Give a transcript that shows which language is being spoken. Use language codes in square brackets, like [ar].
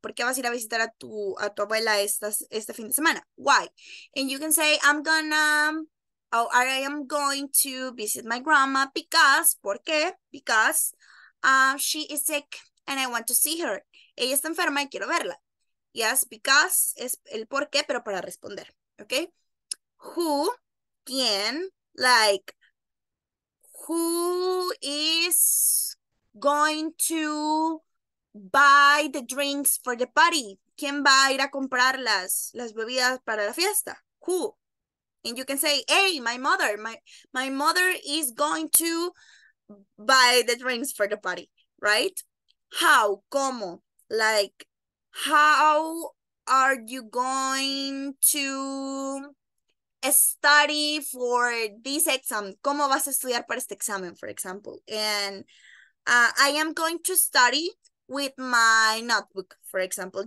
[es] ¿Por qué vas a ir a visitar a tu abuela este fin de semana? [en] Why? And you can say, I am going to visit my grandma because, [es] ¿por qué? [en] Because she is sick and I want to see her. [es] Ella está enferma y quiero verla. [en] Yes, because [es] es el por qué, pero para responder. Okay. [en] Who, [es] quién, [en] like, who is going to buy the drinks for the party? [es] ¿Quién va a ir a comprar las bebidas para la fiesta? [en] Who? And you can say, hey, my mother. My mother is going to buy the drinks for the party, right? How? [es] ¿Cómo? [en] Like, how are you going to study for this exam? [es] ¿Cómo vas a estudiar para este examen, [en] for example? And I am going to study with my notebook, for example.